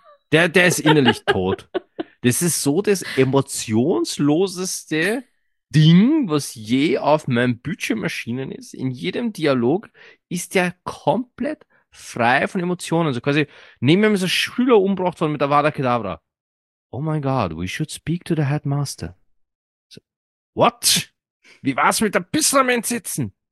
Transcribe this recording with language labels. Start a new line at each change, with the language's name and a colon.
German: Der ist innerlich tot. Das ist so das emotionsloseste Ding, was je auf meinem Bildschirm erschienen ist. In jedem Dialog ist der komplett frei von Emotionen. Also quasi, nehmen wir mal so einen Schüler umgebracht worden mit Avada Kedavra.
English: Oh my God, we should speak to the headmaster. So, what?
German: Wie war's mit der Pissermann sitzen?